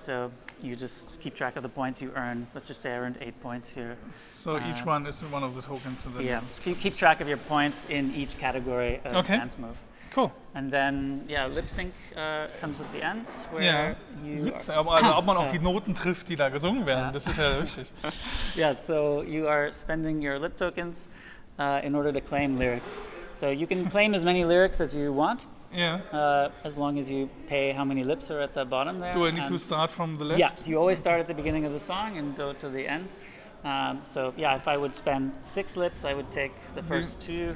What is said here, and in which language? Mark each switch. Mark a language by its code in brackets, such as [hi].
[en] So you just keep track of the points you earn. Let's just say I earned 8 points here. So each one is one of the tokens. So yeah, so you keep track of your points in each category of dance move. Cool. And then, yeah, lip sync comes at the end. Where you [de] Aber also, ob man auch die Noten trifft, die da gesungen werden, das ist ja richtig. [en] Yeah, so you are spending your lip tokens in order to claim lyrics. So you can claim as many lyrics as you want. Yeah. As long as you pay how many lips are at the bottom there. Do I need to start from the left? Yeah, you always start at the beginning of the song and go to the end. So, yeah, if I would spend 6 lips, I would take the first two.